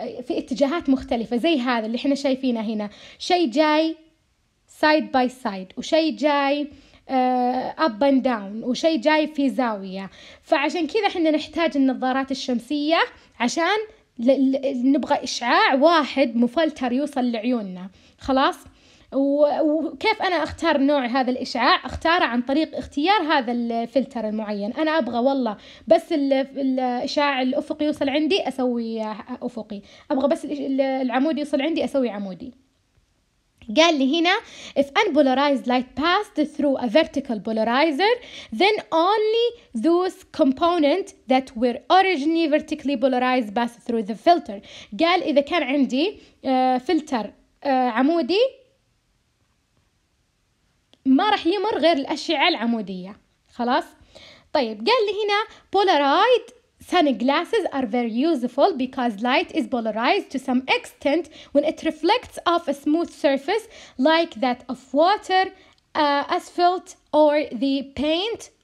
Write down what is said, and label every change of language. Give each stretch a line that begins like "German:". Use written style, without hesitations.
Arabic: اتجاهات مختلفة، زي هذا اللي احنا شايفينه هنا، شيء جاي
English: side by side
Arabic: وشيء جاي
English: up and down
Arabic: وشيء جاي في زاوية، فعشان كذا احنا نحتاج النظارات الشمسية عشان نبغى اشعاع واحد مفلتر يوصل لعيوننا، خلاص. وكيف أنا أختار نوع هذا الإشعاع؟ أختاره عن طريق اختيار هذا الفلتر المعين. أنا أبغى والله بس الإشعاع الأفقي يوصل عندي، أسوي أفقي، أبغى بس العمودي يوصل عندي، أسوي عمودي. قال لي هنا
English: If unpolarized light passed through a vertical polarizer, then only those components that were originally vertically polarized passed through the filter.
Arabic: قال إذا كان عندي فلتر عمودي، ما رح يمر غير الأشعة العمودية، خلاص. طيب قال لي هنا
English: polarized sunglasses are very useful because light is polarized to some extent when it reflects off a smooth surface like that of water, asphalt or the paint